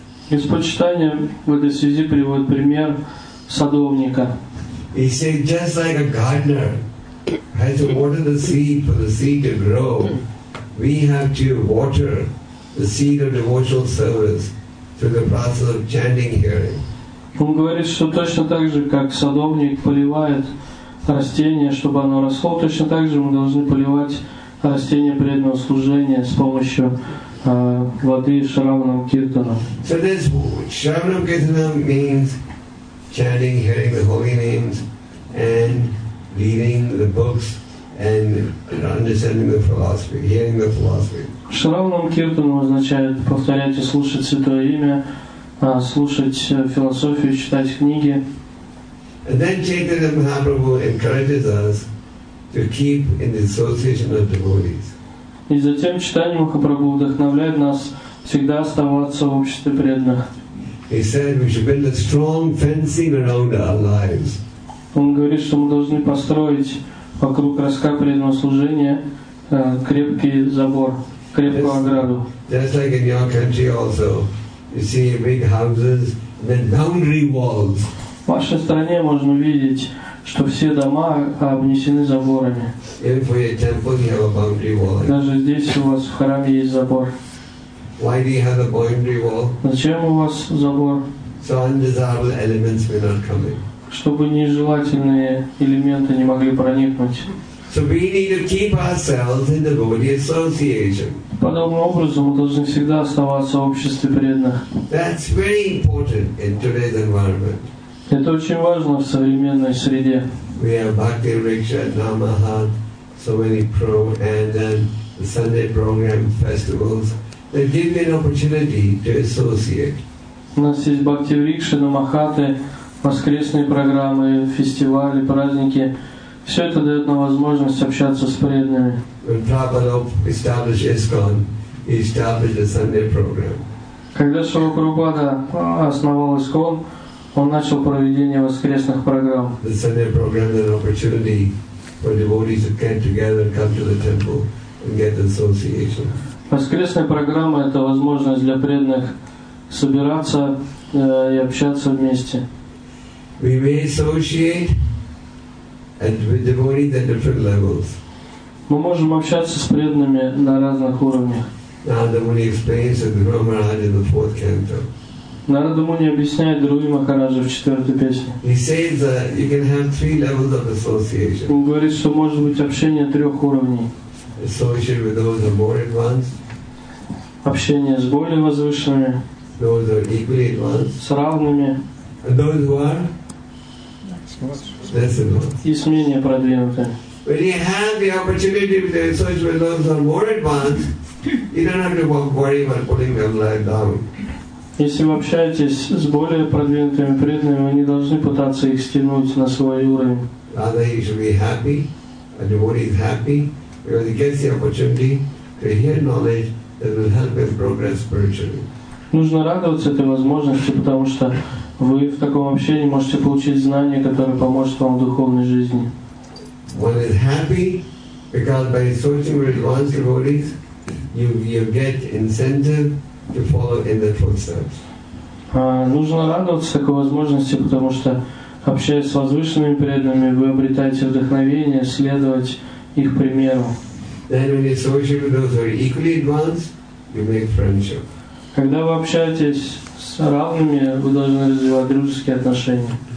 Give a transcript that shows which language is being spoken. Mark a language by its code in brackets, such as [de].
[ru] Из почитания в этой связи приводит пример садовника. [en] He says, just like a gardener has to water the seed for the seed to grow, we have to water the seed of devotional service through the process of chanting, hearing. [ru] Он говорит, что точно так же, как садовник поливает растение, чтобы оно росло, точно так же мы должны поливать растение преданного служения с помощью воды шраванам киртанам. [en] So this шраванам киртанам means chanting, hearing the holy names and reading the books and understanding the philosophy, hearing the philosophy. [ru] Шраванам киртанам означает повторять и слушать святое имя, слушать философию, читать книги. [en] And then Chaitanya Mahaprabhu encourages us to keep in the association of devotees. [ru] И затем читание Махапрабху вдохновляет нас всегда оставаться в обществе преданных. [en] He said we should build a strong fencing around our lives. [ru] Он говорит, что мы должны построить вокруг ростка преданного служения крепкий забор. [en] Just like in your country also, you see big houses and then boundary walls. [ru] В вашей стране можно видеть, что все дома обнесены заборами. [en] Even for your temple, you have a boundary wall. [ru] Даже здесь у вас в храме есть забор. [en] Why do you have a boundary wall? [ru] Зачем у вас забор? [en] So undesirable elements may not come in. [ru] Чтобы нежелательные элементы не могли проникнуть. [en] So we need to keep ourselves in the devotee association. [ru] Подобным образом мы должны всегда оставаться в обществе преданных. [en] That's very important in today's environment. [ru] Это очень важно в современной среде. [en] We have Bhakti Riksha, Namaha, so many programs, and then the Sunday program festivals that give me an opportunity to associate. [ru] У нас есть Bhakti Riksha, Namahata, воскресные программы, фестивали, праздники. Все это дает нам возможность общаться с преданными. [en] When Prabhupada established ISKCON, he established a Sunday program. [ru] Когда Шрила Прабхупада основал ISKCON, он начал проведение воскресных программ. [en] The Sunday program is an opportunity for devotees to get together, come to the temple and get association. [ru] Воскресная программа – это возможность для преданных собираться и общаться вместе. [en] We may associate and with devotees at different levels. [ru] Мы можем общаться с преданными на разных уровнях. [en] Narada Muni explains to Guru Maharaj in the fourth canto. [ru] Narada Muni объясняет Друи Махараджа в четвертой песне. [en] He says that you can have three levels of association. [ru] Он говорит, что может быть общение трех уровней. [en] Associate with those who are more advanced. [ru] Общение с более возвышенными. [en] Those who are equally advanced. [ru] С равными. [en] And those who are? [ru] И с менее продвинутыми. [en] When you have the opportunity to associate with those who are more advanced, you don't have to worry about putting them like down. [ru] Если вы общаетесь с более продвинутыми преданными, вы не должны пытаться их стянуть на свой уровень. [en] Rather, you should be happy, a devotee is happy, because he gets the opportunity to hear knowledge that will help him progress spiritually. [ru] Нужно радоваться этой возможности, потому что вы в таком общении можете получить знание, которое поможет вам в духовной жизни. [en] One is happy because by associating with advanced devotees, you get incentive to follow in their footsteps. [ru] Нужно радоваться такой возможности, потому что Общаясь с возвышенными преданными, вы обретаете вдохновение следовать их примеру. Когда вы общаетесь с равными, вы должны развивать дружеские отношения.